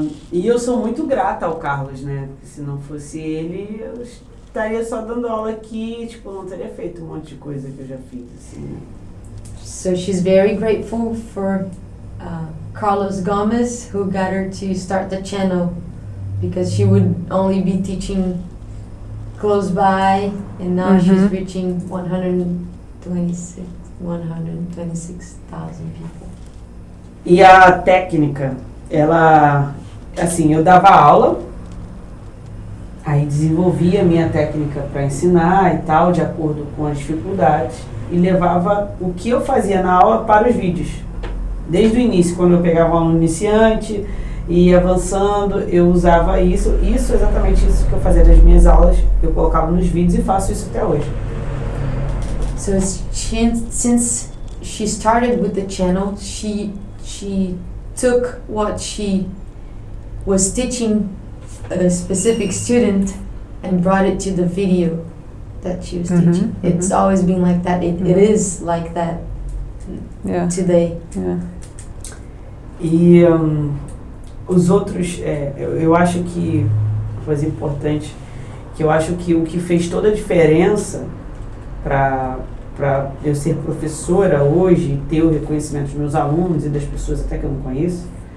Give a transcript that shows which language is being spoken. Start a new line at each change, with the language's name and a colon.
Portuguese: E eu sou muito grata ao Carlos, né? Se não fosse ele, eu estaria só dando aula aqui, tipo, não teria feito um monte de coisa que eu já fiz, assim.
English: So she's very grateful for Carlos Gomez, who got her to start the channel, because she would only be teaching close by, and now mm-hmm. she's reaching 126,000 people.
Portuguese: E a técnica, ela, assim, eu dava aula, aí desenvolvi a minha técnica para ensinar e tal, de acordo com as dificuldades, e levava o que eu fazia na aula para os vídeos. Desde o início, quando eu pegava um aluno iniciante e avançando, eu usava isso, exatamente isso que eu fazia nas minhas aulas, eu colocava nos vídeos e faço isso até hoje.
English: So since she started with the channel, she took what she was teaching a specific student and brought it to the video that she was mm-hmm, teaching. Mm-hmm. It's always been like that. It, mm-hmm. it is like that. Yeah. Today. Yeah.
Portuguese: E os outros, eu acho que foi importante, que eu acho que o que fez toda a diferença para eu ser professora hoje e ter o reconhecimento dos meus alunos e das pessoas até que eu não conheço,